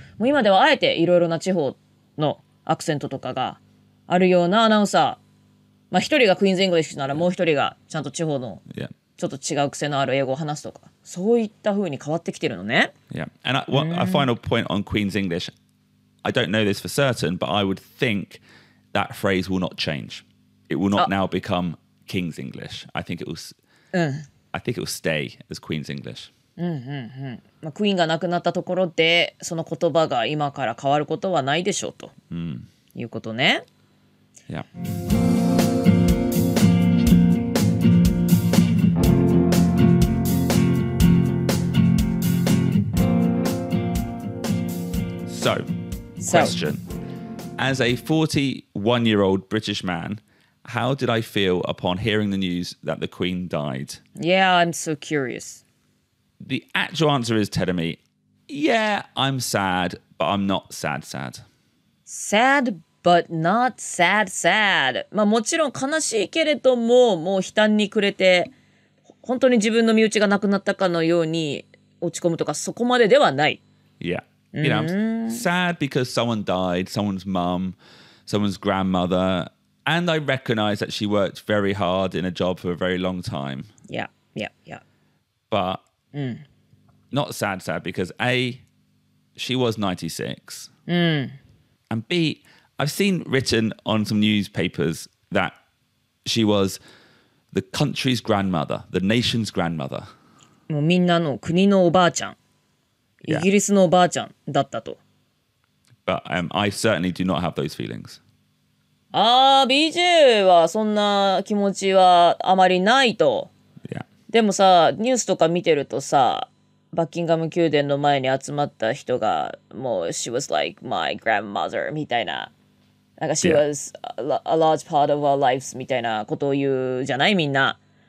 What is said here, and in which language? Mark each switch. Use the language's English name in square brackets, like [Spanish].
[Japanese] もう今ではあえていろいろな地方のアクセントとかがあるようなアナウンサー、まあ一人がクイーンズ・イングリッシュならもう一人がちゃんと地方のちょっと違う癖のある英語を話すとか、そういった風に変わってきてるのね。 [English] Yeah. And a final point on Queen's English. I don't know this for certain, but I would think that phrase will not change. It will not now become King's English. I think it will. I think it will stay as Queen's English. [Japanese] まあ、クイーンが亡くなったところでその言葉が今から変わることはないでしょうと、いうことね。 [English] Yeah. So, question. As a 41-year-old British man,How did I feel upon hearing the news that the Queen died? Yeah, I'm so curious. The actual answer is, Tedemi, yeah, I'm sad, but I'm not sad sad. [Japanese] Sad, but not sad sad. まあもちろん悲しいけれども、もう悲嘆に暮れて本当に自分の身内が亡くなったかのように落ち込むとかそこまでではない。 [English] Yeah. You know, I'm sad because someone died, someone's mum, someone's grandmother, and I recognize that she worked very hard in a job for a very long time. Yeah, yeah, yeah. But not sad, sad, because A, she was 96. And B, I've seen written on some newspapers that she was the country's grandmother, the nation's grandmother. [Japanese] もうみんなの国のおばあちゃん。イギリスのおばあちゃんだったと。 [English] But, I certainly do not have those feelings. [Japanese] ああ、BJ はそんな気持ちはあまりないと。 [English] Yeah. [Japanese] でもさ、ニュースとか見てるとさ、バッキンガム宮殿の前に集まった人が、もう、 she was like my grandmother みたいな。なんか、 she was a large part of our lives みたいなことを言うじゃない、みんな。